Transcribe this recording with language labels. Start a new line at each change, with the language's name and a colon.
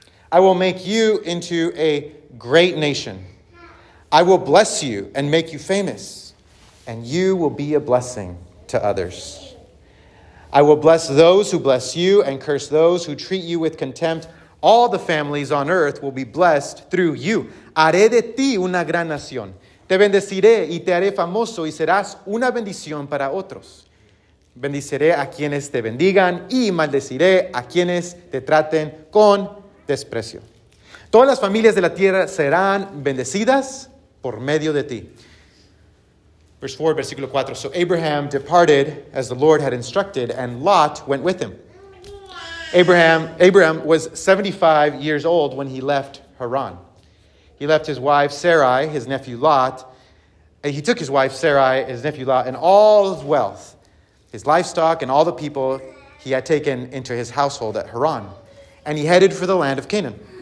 English: I will make you into a great nation. I will bless you and make you famous, and you will be a blessing to others. I will bless those who bless you and curse those who treat you with contempt. All the families on earth will be blessed through you.
Spanish: Haré de ti una gran nación. Te bendeciré y te haré famoso y serás una bendición para otros. Bendiciré a quienes te bendigan y maldeciré a quienes te traten con desprecio. Todas las familias de la tierra serán bendecidas por medio de ti.
English: Verse 4,
Spanish: versículo 4.
English: So Abraham departed as the Lord had instructed, and Lot went with him. Abraham was 75 years old when he left Haran. He left his wife Sarai, his nephew Lot, and he took his wife Sarai, his nephew Lot, and all his wealth, his livestock, and all the people he had taken into his household at Haran, and he headed for the land of Canaan.